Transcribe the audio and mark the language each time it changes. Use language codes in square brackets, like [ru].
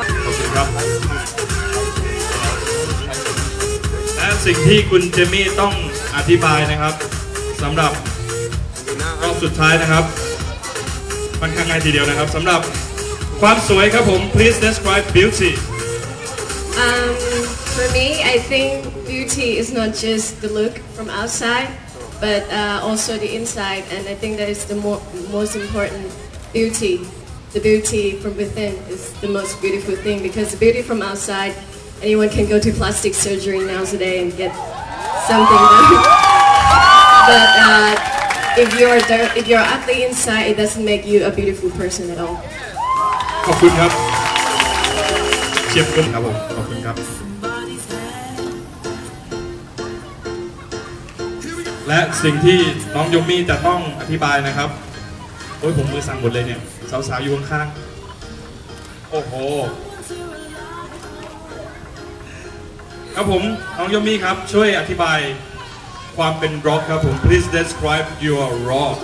[th] ขอบคุณครับและสิ่งที่คุณเจมี่ต้องอธิบายนะครับสำหรับรอบสุดท้ายนะครับมันค่อนข้างทีเดียวนะครับสำหรับความสวยครับผม [en] please describe beauty for me I think beauty is not just the look from outside but also the inside and I think that is the most important beauty the beauty from within is the most beautiful thing because the beauty from outside anyone can go to plastic surgery now today and get something done But if you're ugly inside, it doesn't make you a beautiful person at all. [th] ขอบคุณครับเชียบคุณครับผมขอบคุณครับและสิ่งที่น้องยมมี่จะต้องอธิบายนะครับโอ้ยผมมือสั่นหมดเลยเนี่ยสาวๆอยู่ข้างๆโอ้โหครับผมน้องยมมี่ครับช่วยอธิบายความเป็นร็อกครับผม [en] please describe your rock